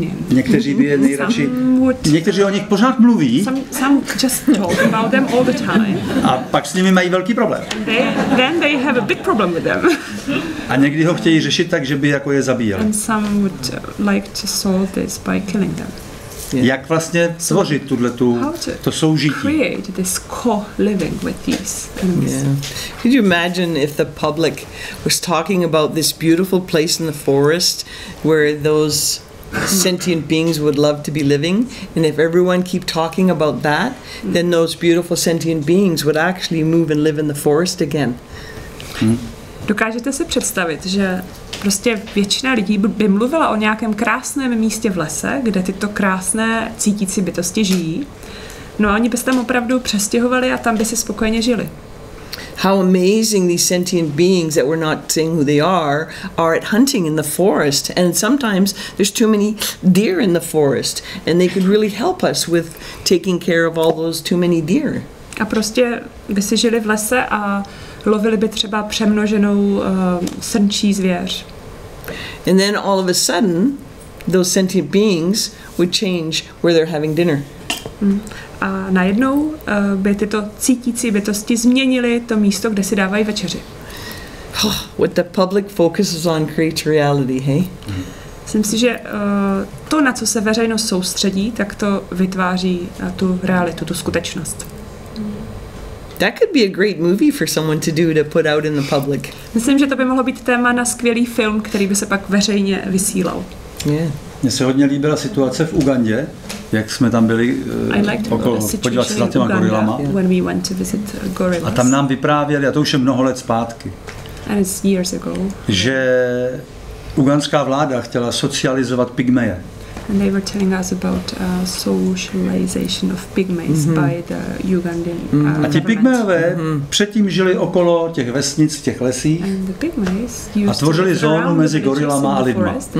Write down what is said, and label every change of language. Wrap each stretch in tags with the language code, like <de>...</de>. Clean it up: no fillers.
<cs>Někteří by je nejradši, někteří o nich pořád mluví.</cs> <en>Some just talk about them all the time.</en> <cs>A pak s nimi mají velký problém.</cs> <en>Then they have a big problem with them.</en> <cs>A někdy ho chtějí řešit tak, že by jako je zabíjeli.</cs> <en>And some would like to solve this by killing them.</en> <cs>Jak vlastně tvořit tuhle tu to soužití?</cs> <en>How to create this co-living with these animals? Yeah. Could you imagine if the public was talking about this beautiful place in the forest where those sentient beings would love to be living, and if everyone keep talking about that, then those beautiful sentient beings would actually move and live in the forest again.</en> <cs>Dokážete si představit, že prostě většina lidí by mluvila o nějakém krásném místě v lese, kde tyto krásné cítící bytosti žijí. No a oni by se tam opravdu přestěhovali a tam by si spokojeně žili.</cs> <en>How amazing these sentient beings that we're not seeing who they are at hunting in the forest, and sometimes there's too many deer in the forest, and they could really help us with taking care of all those too many deer.</en> <cs>A prostě by si žili v lese a lovili by třeba přemnoženou srnčí zvěř.</cs> <en>And then all of a sudden, those sentient beings would change where they're having dinner.</en> <cs>A najednou by tyto cítící bytosti změnily to místo, kde si dávají večeři.</cs> <en>Oh, what the public focuses on creates reality, hey?</en> <cs>Myslím si, že to, na co se veřejnost soustředí, tak to vytváří tu realitu, tu skutečnost.</cs> <en>That could be a great movie for someone to do to put out in the public.</en> <cs>Myslím, že to by mohlo být téma na skvělý film, který by se pak veřejně vysílal.</cs> <en>Yeah.</en> <cs>Mně se hodně líbila situace v Ugandě, jak jsme tam byli okolo, podívat se za těma</cs> <en>Uganda,</en> <cs>gorilama.</cs> <en>When we went to visit gorillas.</en> <cs>A tam nám vyprávěli, a to už je mnoho let zpátky,</cs> <en>and it's years ago,</en> <cs>že ugandská vláda chtěla socializovat pygmeje.</cs> <en>And they were telling us about socialization of pygmies by the Ugandan</en> <cs>A ti pygmejové předtím žili okolo těch vesnic, v těch lesích a tvořili zónu mezi gorilama a lidma.</cs>